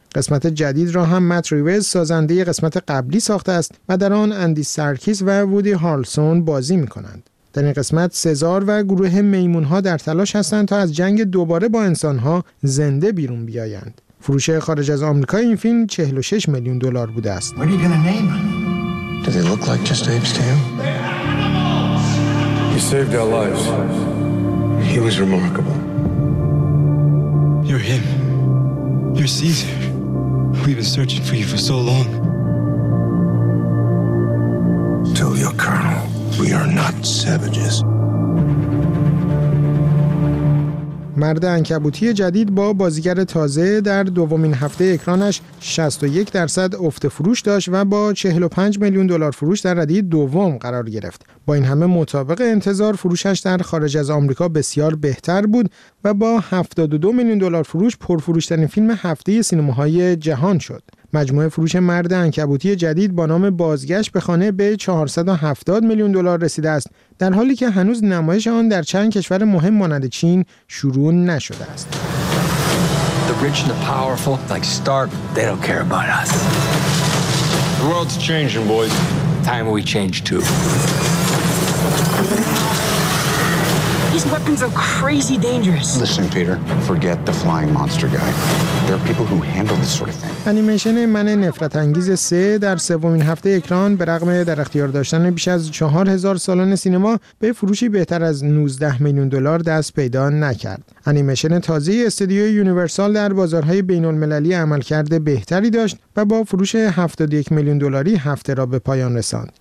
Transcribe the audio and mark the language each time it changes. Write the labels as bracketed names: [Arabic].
[Persian] قسمت جدید را هم مت ریوز سازنده قسمت قبلی ساخته است و در آن اندی سرکیس و وودی هارلسون بازی می‌کنند. در این قسمت سزار و گروه میمون‌ها در تلاش هستند تا از جنگ دوباره با انسان‌ها زنده بیرون بیایند. فروش خارج از آمریکا این فیلم 46 میلیون دلار بوده است. [English] Do they look like just apes to you? He saved our lives. He was remarkable. You're him. You're Caesar. We've been searching for you for so long. Tell your colonel, we are not savages. [Persian] مرد عنکبوتی جدید با بازیگر تازه در دومین هفته اکرانش 61% افت فروش داشت و با 45 میلیون دلار فروش در ردیه دوم قرار گرفت. با این همه مطابق انتظار فروشش در خارج از آمریکا بسیار بهتر بود و با 72 میلیون دلار فروش پرفروشترین فیلم هفته سینماهای جهان شد. مجموعه فروش مرد عنکبوتی جدید با نام بازگشت به خانه به 470 میلیون دلار رسیده است، در حالی که هنوز نمایش آن در چند کشور مهم مانند چین شروع نشده است. [English] The rich and the powerful like Stark, they don't care about us. The world's changing, boys. Time we change too. These weapons are crazy dangerous. Listen, Peter, forget the flying monster guy. There are people who handle this sort of thing. [Persian] انیمیشن من نفرت انگیز 3 در سومین هفته اکران به رغم در اختیار داشتن بیش از 4000 سالن سینما به فروشی بهتر از 19 میلیون دلار دست پیدا نکرد. انیمیشن تازه استودیوی یونیورسال در بازارهای بین المللی عملکرد بهتری داشت و با فروش 71 میلیون دلاری هفته را به پایان رساند.